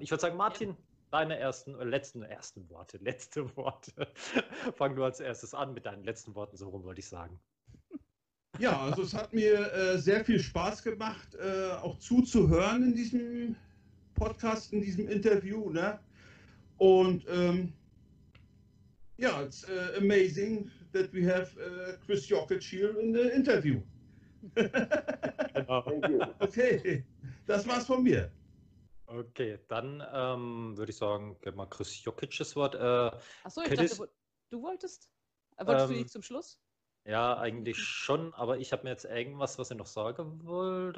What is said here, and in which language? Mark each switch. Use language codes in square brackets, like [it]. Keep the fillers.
[de] Ich würde sagen, Martin, deine ersten, letzten, ersten Worte, letzte Worte. Fang du als erstes an mit deinen letzten Worten, so rum wollte ich sagen. Ja, also es hat mir äh, sehr viel Spaß gemacht, äh, auch zuzuhören in diesem Podcast, in diesem Interview, ne? Und ähm, ja, [en] it's amazing that we have uh, Chris Jokic here in the interview. [de] okay, das war's von mir. Okay, dann ähm, würde ich sagen, gib mal Chris Jokic das Wort. Äh, Achso, ich Katis? dachte, du wolltest? Äh, wolltest ähm, du nicht zum Schluss? Ja, eigentlich schon, aber ich habe mir jetzt irgendwas, was ihr noch sagen wollt.